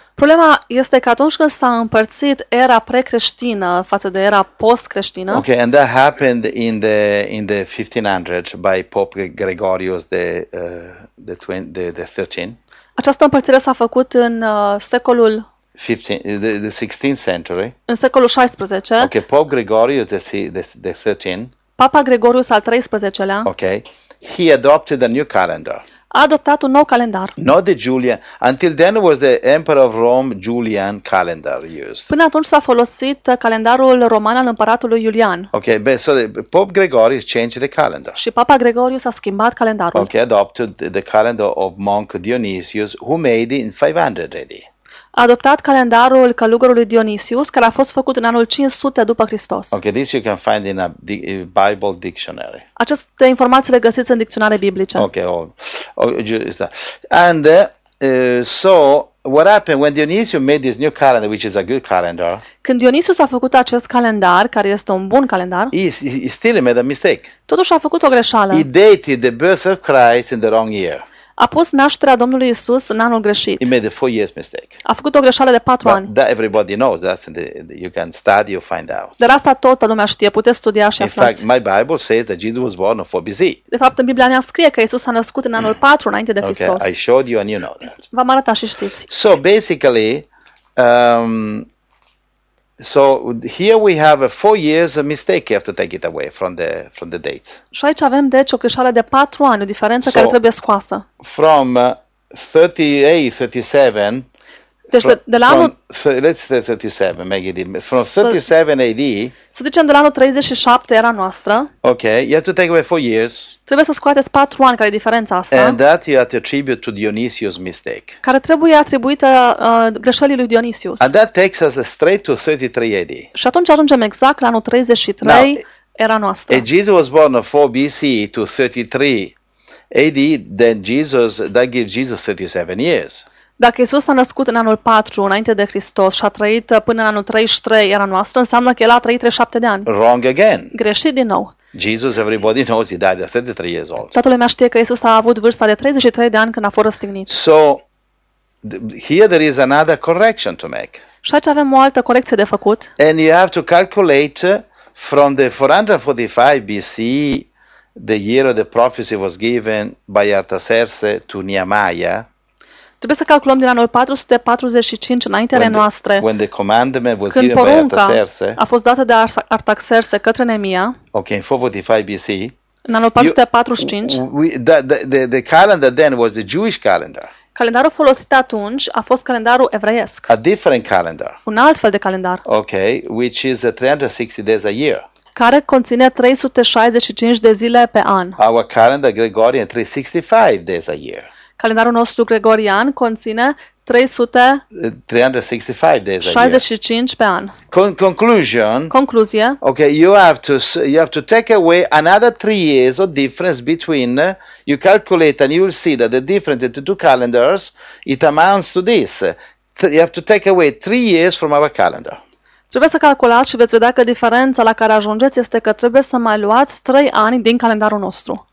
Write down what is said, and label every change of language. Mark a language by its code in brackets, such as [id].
[ro] Problema este că atunci când s-a împărțit era precreștină față de era postcreștină. [en] Okay, and that happened in the 1500s by Pope Gregorius the 13. [ro] Această împărțire s-a făcut în secolul [en] 16th century. [ro] În secolul 16. [en] Okay, Pope Gregorius the 13. [ro] Papa Gregorius al 13-lea. [en] Okay. He adopted a new calendar. [ro] A adoptat un nou calendar. [en] Not the Julian. Until then was the Emperor of Rome Julian calendar used. [ro] Până atunci s-a folosit calendarul roman al împăratului Iulian. [en] Okay, but so Pope Gregorius changed the calendar. [ro] Și Papa Gregorius a schimbat calendarul. [en] Okay, adopted the calendar of monk Dionysius who made it in 500 AD. [ro] A adoptat calendarul călugărului Dionysius care a fost făcut în anul 500 după Hristos. [en] Okay, this you can find in a Bible dictionary. [ro] Aceste informații le găsiți în dicționare biblice. [en] Okay, just that. And so what happened when Dionysius made this new calendar, which is a good calendar? [ro] Când Dionysius a făcut acest calendar, care este un bun calendar? [en] He still made a mistake. [ro] Totuși a făcut o greșeală. [en] He dated the birth of Christ in the wrong year. [ro] A pus nașterea Domnului Isus în anul greșit. [en] He made a 4 years mistake. [ro] A făcut o greșeală de 4 ani. [en] That everybody knows. That's you can study, you find out. [ro] Dar asta toată lumea știe, puteți studia și aflați. [en] In fact, my Bible says that Jesus was born in 4 BC. [ro] De fapt, în Biblia mea scrie că Isus a născut în anul 4 înainte de Hristos. [en] Okay, I showed you and you know that. [ro] V-am arătat și știți. [en] So basically, so here we have a 4 years of mistake. You have to take it away from the dates. [ro] Și aici avem deci o greșeală de 4 ani, o diferență care trebuie scoasă. [en] From 38-37. [ro] Deci de la anul. [en] Let's say 37. Make it from 37 AD. [ro] Să zicem de la anul 37 era noastră. [en] Okay, you have to take away 4 years. [ro] Trebuie să scoateți 4 ani, care e diferența asta. [en] And that you have to attribute to Dionysius' mistake. [ro] Care trebuie atribuită greșelii lui Dionysius. [en] And that takes us straight to 33 AD. [ro] Și atunci ajungem exact la anul 33 [en] now, [ro] era noastră. [en] If Jesus was born in 4 BC to 33 AD, then Jesus, that gives Jesus 37 years. [ro] Dacă Iisus a născut în anul 4 înainte de Hristos și a trăit până în anul 33 era noastră, înseamnă că el a trăit 37 de ani. [en] Wrong again. [ro] Greșit din nou. [en] Jesus, everybody knows, he died at 33 years old. [ro] Toată lumea știe că Iisus a avut vârsta de 33 de ani când a fost răstignit. [en] So, here there is another correction to make. [ro] Și aici avem o altă corecție de făcut. [en] And you have to calculate from the 445 BC the year of the prophecy was given by Artaxerxes to Nehemiah. [ro] Trebuie să calculăm din anul 445 înaintele noastre. [en] When the commandment was [ro] când [en] given [ro] porunca [en] by [ro] a fost dată de Artaxerxes către Nehemia. [en] Okay, 445 BC. [ro] În anul 445. [en] The calendar then was the Jewish calendar. [ro] Calendarul folosit atunci a fost calendarul evreiesc. [en] A different calendar. [ro] Un alt fel de calendar. [en] Okay, which is 360 days a year. [ro] care conține 365 de zile pe an. [en] Our calendar Gregorian 365 days a year. [ro] Calendarul nostru gregorian conține 365 pe an. [en] Conclusion. [ro] Concluzie. [en] Okay, you have to take away another 3 years of difference between you calculate and you will see that the difference in the two calendars it amounts to this. You have to take away 3 years from our calendar. [ro] Trebuie să calculați și veți vedea că diferența la care ajungeți este că trebuie să mai luați 3 ani din calendarul nostru.